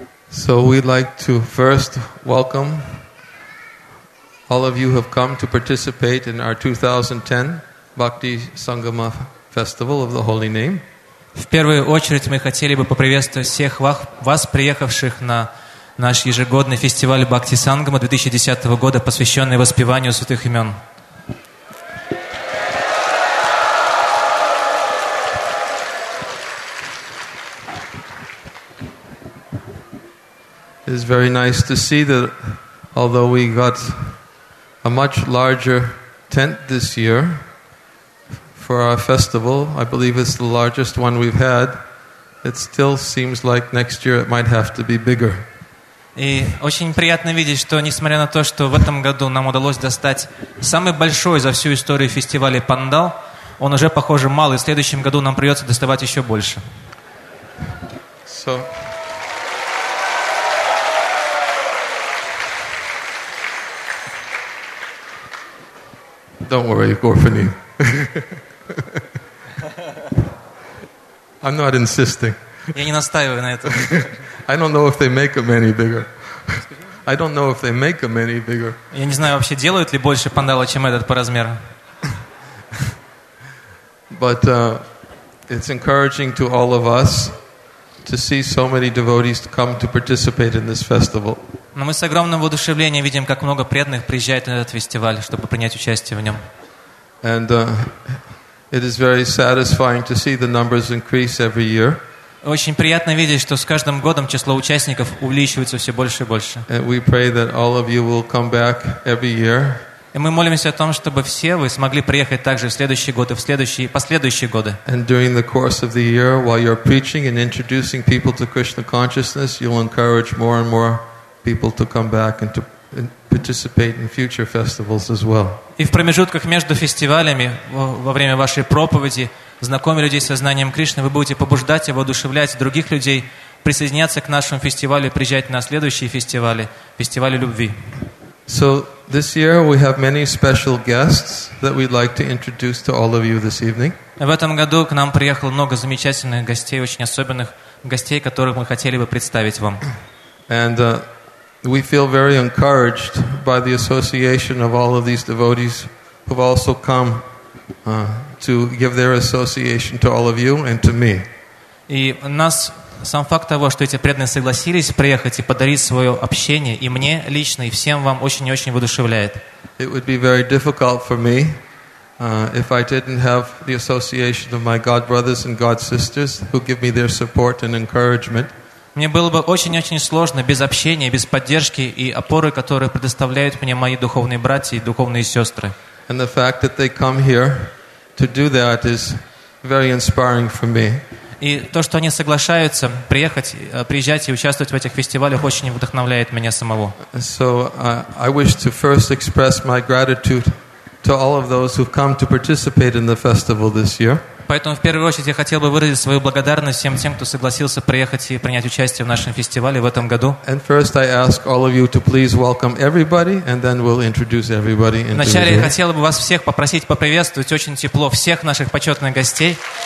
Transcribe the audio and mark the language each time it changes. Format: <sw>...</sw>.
<en>So we'd like to first welcome all of you who have come to participate in our 2010 Bhakti Sangama Festival of the Holy Name.</en> <ru>В первую очередь мы хотели бы поприветствовать всех вас, приехавших на наш ежегодный фестиваль Бхакти Сангама 2010 года, посвященный воспеванию святых имен.</ru> <en>It's very nice to see that although we got a much larger tent this year for our festival, I believe it's the largest one we've had, it still seems like next year it might have to be bigger.</en> <ru>И очень приятно видеть, что несмотря на то, что в этом году нам удалось достать самый большой за всю историю фестиваля пандал, он уже, похоже, мал, и в следующем году нам придется доставать еще больше.</ru> <en>Don't worry, Gorfani. I'm not insisting.</en> <ru>Я не настаиваю на этом.</ru> <en>I don't know if they make them any bigger. I don't know if they make them any bigger.</en> <ru>Я не знаю, вообще делают ли больше пандала, чем этот по размеру.</ru> <en>But it's encouraging to all of us to see so many devotees come to participate in this festival.</en> <ru>Но мы с огромным воодушевлением видим, как много преданных приезжает на этот фестиваль, чтобы принять участие в нем.</ru> <en>And it is very satisfying to see the numbers increase every year.</en> <ru>Очень приятно видеть, что с каждым годом число участников увеличивается все больше и больше.</ru> <en>And we pray that all of you will come back every year.</en> <ru>И мы молимся о том, чтобы все вы смогли приехать также в следующий год и в следующие и последующие годы.</ru> <en>And during the course of the year, while you're preaching and introducing people to Krishna consciousness, you'll encourage more and more people to come back and to participate in future festivals as well.</en> <ru>И в промежутках между фестивалями, во время вашей проповеди, знакомя людей со знанием Кришны, вы будете побуждать и воодушевлять других людей присоединяться к нашему фестивалю и приезжать на следующие фестивали, фестивали любви.</ru> <en>So this year we have many special guests that we'd like to introduce to all of you this evening.</en> <ru>В этом году к нам приехало много замечательных гостей, очень особенных гостей, которых мы хотели бы представить вам.</ru> <en>And we feel very encouraged by the association of all of these devotees who've also come to give their association to all of you and to me.</en> <ru>И нас сам факт того, что эти преданные согласились приехать и подарить свое общение и мне лично, и всем вам очень и очень воодушевляет.</ru> <en>It would be very difficult for me if I didn't have the association of my God brothers and God sisters who give me their support and encouragement.</en> <ru>Мне было бы очень-очень сложно без общения, без поддержки и опоры, которые предоставляют мне мои духовные братья и духовные сестры.</ru> <en>And the fact that they come here to do that is very inspiring for me.</en> <ru>И то, что они соглашаются приезжать и участвовать в этих фестивалях, очень вдохновляет меня самого.</ru> <en>So I wish to first express my gratitude to all of those who've come to participate in the festival this year.</en> <ru>Поэтому в первую очередь я хотел бы выразить свою благодарность всем тем, кто согласился приехать и принять участие в нашем фестивале в этом году.</ru> <en>And first I ask all of you to please welcome everybody, and then we'll introduce everybody.</en> <ru>Вначале я хотел бы вас всех попросить поприветствовать очень тепло всех наших почетных гостей.</ru>